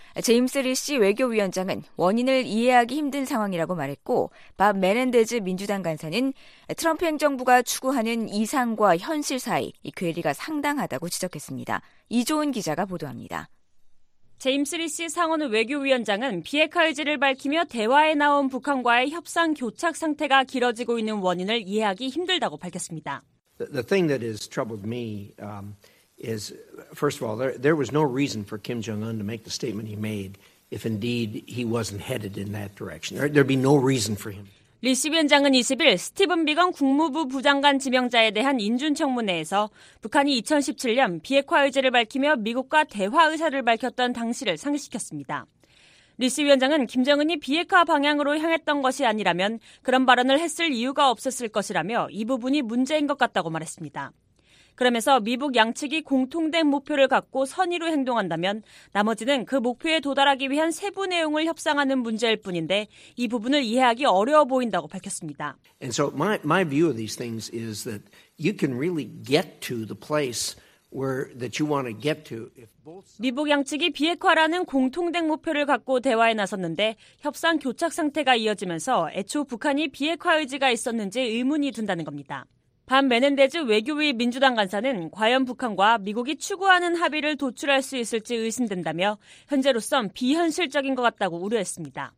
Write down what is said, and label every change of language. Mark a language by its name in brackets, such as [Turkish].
[Korean] 제임스 리시 외교위원장은 원인을 이해하기 힘든 상황이라고 말했고 밥 메렌데즈 민주당 간사는 트럼프 행정부가 추구하는 이상과 현실 사이 이 괴리가 상당하다고 지적했습니다. 이조은 기자가 보도합니다. 제임스 리시 상원 외교위원장은 비핵화 의지를 밝히며 대화에 나온 북한과의 협상 교착 상태가 길어지고 있는 원인을 이해하기 힘들다고 밝혔습니다. [English] The thing that has troubled me is, first of all, there was no reason for Kim Jong-un to make the statement he made if indeed he wasn't headed in that direction. There'd be no reason for him. [Korean] 리시 위원장은 20일 스티븐 비건 국무부 부장관 지명자에 대한 인준청문회에서 북한이 2017년 비핵화 의제를 밝히며 미국과 대화 의사를 밝혔던 당시를 상기시켰습니다. 리시 위원장은 김정은이 비핵화 방향으로 향했던 것이 아니라면 그런 발언을 했을 이유가 없었을 것이라며 이 부분이 문제인 것 같다고 말했습니다. 그러면서 미북 양측이 공통된 목표를 갖고 선의로 행동한다면 나머지는 그 목표에 도달하기 위한 세부 내용을 협상하는 문제일 뿐인데 이 부분을 이해하기 어려워 보인다고 밝혔습니다. [English] And so my view of these things is that you can really get to the place where that you want to get to if both [Korean] 미북 양측이 비핵화라는 공통된 목표를 갖고 대화에 나섰는데 협상 교착 상태가 이어지면서 애초 북한이 비핵화 의지가 있었는지 의문이 든다는 겁니다. 밤 메넨데즈 외교위 민주당 간사는 과연 북한과 미국이 추구하는 합의를 도출할 수 있을지 의심된다며 현재로선 비현실적인 것 같다고 우려했습니다.